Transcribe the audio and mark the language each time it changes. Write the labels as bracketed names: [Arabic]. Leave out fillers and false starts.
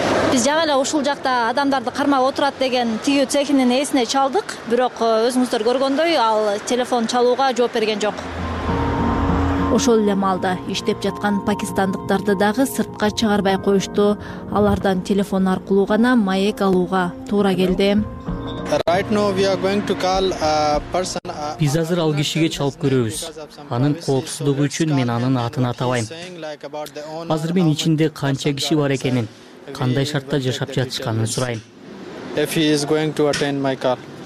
[Kyrgyz] Биз жаңы эле ушул жакта адамдарды кармап отурат деген тигүү цехинин ээсине чалдык, бирок өзүңүздөр көргөндөй ал телефон чалууга жооп берген жок. Ошол эле маалда иштеп жаткан пакистандыктарды дагы сыртка чыгарбай коюшту. Алардан телефон аркылуу гана маек алууга туура келди. [English] Right now we are going to call a person. [Kyrgyz] Биз азыр ал кишиге чалып көрөбүз. Анын коопсуздугу үчүн мен анын атын атабайм. Азыр мен ичинде канча киши бар экенин, кандай шартта жашап жатышканын сурайм. [English] If he is going to attend my car.